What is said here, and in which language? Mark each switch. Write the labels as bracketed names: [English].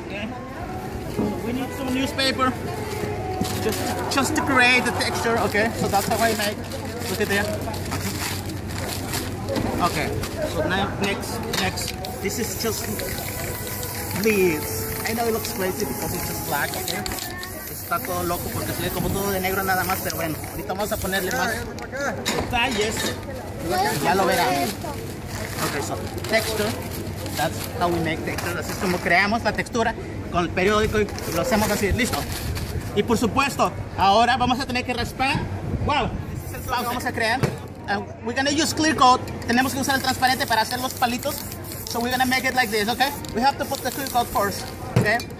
[English] Okay, we need some newspaper just to create the texture, okay? So, that's how I make. Look at there. Okay, so now next, this is just leaves. I know it looks crazy because it's just black, okay? [Spanish] Está todo loco porque sigue como todo de negro nada más, pero bueno, ahorita vamos a ponerle más detalles. Ya lo verán. [English] Okay, so texture, that's how we make texture. [Spanish] Así es como creamos la textura con el periódico y lo hacemos así, listo. Y por supuesto, ahora vamos a tener que raspar. Wow, vamos a crear. [English] We're gonna use clear coat. [Spanish] Tenemos que usar el transparente para hacer los palitos. [English] So we're gonna make it like this, okay? We have to put the clear coat first, okay?